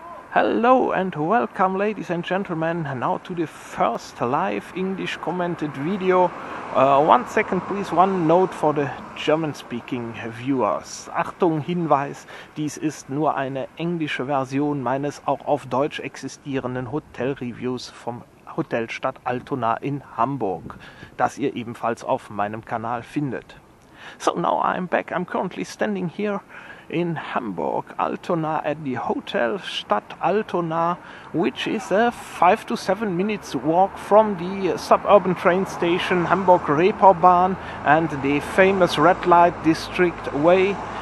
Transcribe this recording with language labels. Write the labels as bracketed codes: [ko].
[en] Hello and welcome, ladies and gentlemen, now to the first live English commented video. One second, please, one note for the German-speaking viewers. [de] Achtung, Hinweis, dies ist nur eine englische Version meines auch auf Deutsch existierenden Hotel-Reviews vom Hotel Stadt Altona in Hamburg, das ihr ebenfalls auf meinem Kanal findet. [en] So, now I'm back. I'm currently standing here in Hamburg, Altona, at the Hotel Stadt Altona, which is a 5 to 7 minutes walk from the suburban train station Hamburg Reeperbahn and the famous red light district way.